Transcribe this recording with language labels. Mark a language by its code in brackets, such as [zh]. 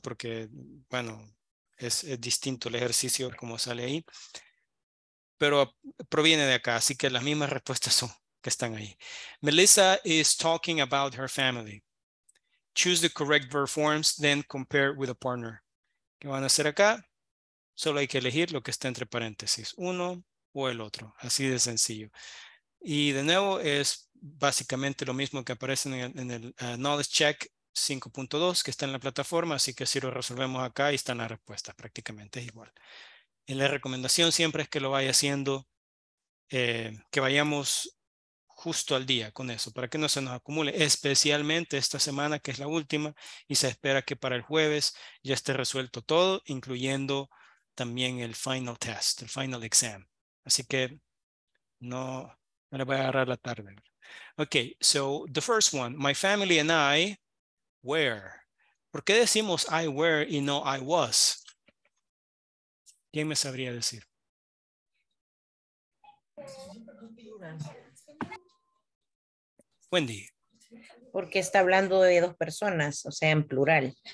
[es] Porque, bueno, es distinto el ejercicio como sale ahí. Pero proviene de acá, así que las mismas respuestas son que están ahí. [en] Melissa is talking about her family. Choose the correct verb forms, then compare with a partner. [es] ¿Qué van a hacer acá? Solo hay que elegir lo que está entre paréntesis, uno o el otro, así de sencillo. Y de nuevo es básicamente lo mismo que aparece en el Knowledge Check 5.2 que está en la plataforma, así que si lo resolvemos acá, ahí están las respuestas, prácticamente es igual. Y la recomendación siempre es que lo vaya haciendo, que vayamos justo al día con eso, para que no se nos acumule, especialmente esta semana que es la última y se espera que para el jueves ya esté resuelto todo, incluyendo también el final test, el final exam. Así que no le voy a agarrar la tarde. [en] Okay, so the first one, my family and I were. [es] ¿Por qué decimos [en] I were [es] y no [en] I was? [es] ¿Quién me sabría decir? Wendy. Porque está hablando de dos personas, o sea, en plural.